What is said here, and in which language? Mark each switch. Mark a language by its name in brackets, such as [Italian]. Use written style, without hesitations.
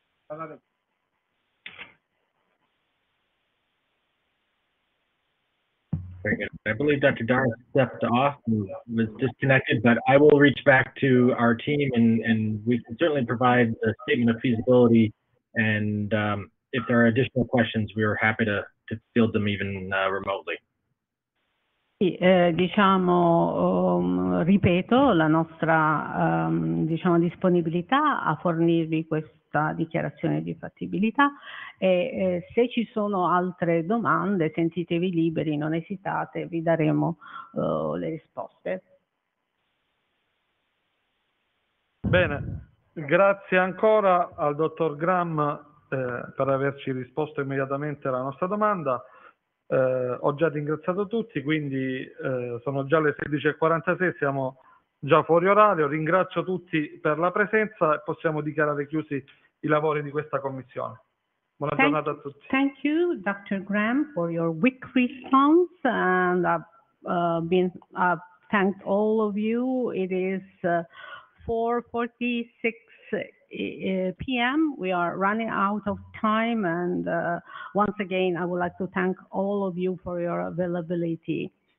[English] Very good. I believe Dr. Darras stepped off and was disconnected, but I will reach back to our team and we can certainly provide a statement of feasibility. And if there are additional questions, we are happy to field them even remotely. [Italian] Diciamo, ripeto la nostra, diciamo, disponibilità a fornirvi questa dichiarazione di fattibilità e, se ci sono altre domande, sentitevi liberi, non esitate, vi daremo, le risposte. Bene, grazie ancora al dottor Graham per averci risposto immediatamente alla nostra domanda. Ho già ringraziato tutti, quindi sono già le 16:46, siamo già fuori orario. Ringrazio tutti per la presenza e possiamo dichiarare chiusi i lavori di questa commissione. Buona giornata a tutti. [English] Thank you, Dr. Graham, for your quick response, and I've thanked all of you. It is 4:46 p.m. We are running out of time, and once again, I would like to thank all of you for your availability.